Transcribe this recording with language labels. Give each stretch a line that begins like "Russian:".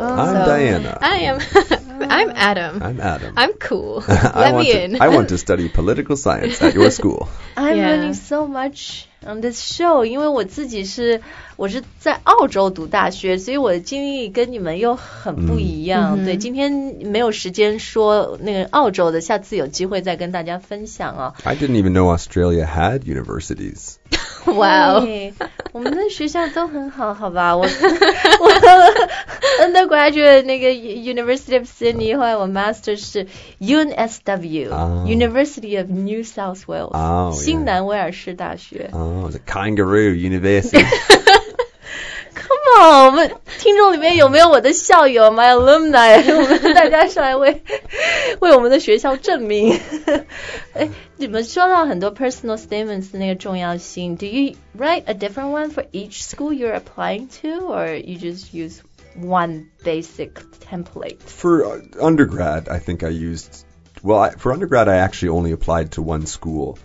English: I'm Diana. I am, I'm Adam. I'm Adam. I'm cool. let me in. I want to study political science at your school. I'm、learning so much on this show,
Chinese: 因为我自己是我是在澳洲读大学所以我的经历跟你们又很不一样、对今天没有时间说那个澳洲的下次有机会再跟大家分享、
English: I didn't even know Australia had universities. Wow.
Chinese: 我们的学校都很好好吧我 undergraduate 那个 University of Sydney 后来我 master 是 UNSW,、University of New South Wales,、新南威尔士大学。
English: Oh, the Kangaroo University. Come on,
Chinese: 我们听众里面有没有我的校友 my alumni, 我们大家上来为我们的学校证明。你们说到很多
English: personal statements
Chinese: 的那个重要性
English: do you write a different one for each school you're applying to, or you just use one basic template? For undergrad, I think I used... for undergrad, I actually only applied to one school.